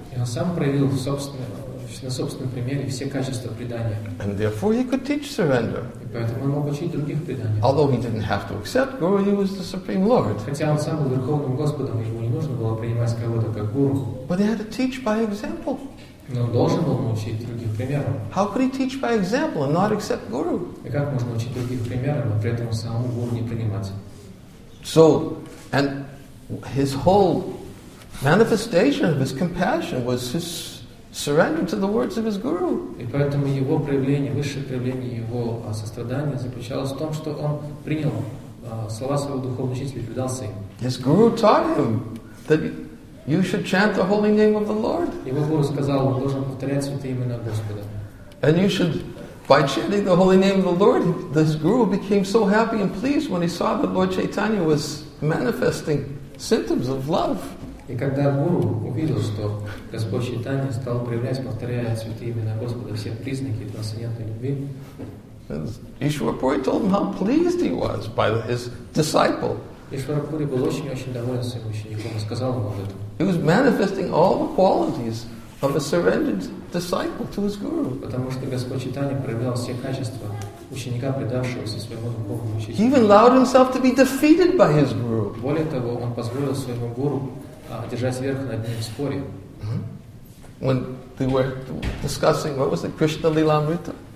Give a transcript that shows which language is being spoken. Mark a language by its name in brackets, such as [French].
[Russian] И он сам проявил собственное, есть на собственном примере все качества предания. [English] And therefore he could teach surrender. [Russian] И поэтому он мог учить других преданиям. [English] Although he didn't have to accept Guru, he was the Supreme Lord. [Russian] Хотя он сам был Верховным Господом, ему не нужно было принимать кого-то как гуру. [English] But he had to teach by example. [Russian] Но он должен был научить других примером. [English] How could he teach by example and not accept Guru? [Russian] И как можно учить других примером, а при этом самому гуру не принимать? [English] So, and his whole manifestation of his compassion was his surrender to the words of his guru. [Russian] И поэтому его проявление, высшее проявление его сострадания заключалось в том, что он принял слова своего духовного учителя и предался им. [English] His guru taught him that you should chant the holy name of the Lord. [Russian] Его гуру сказал, он должен повторять святые имена Господа. [English] And you should, by chanting the holy name of the Lord, this guru became so happy and pleased when he saw that Lord Chaitanya was manifesting symptoms of love. [Russian] И когда гуру увидел, что Господь Чайтанья стал проявлять, повторяя святые имена Господа, все признаки трансцендентной любви, [English] Ишварапури told him how pleased he was by his disciple. [Russian] Ишварапури был очень-очень доволен своим учеником и сказал ему об этом. [English] He was manifesting all the qualities of a surrendered disciple to his guru. [Russian] Потому что Господь Чайтанья проявлял все качества ученика, предавшегося своему духовному учителю. [English] He even allowed himself to be defeated by his guru. [Russian] Более того, он позволил своему гуру держать верх над ним в споре. [English] When they were discussing, what was it, Krishna Lilamrita?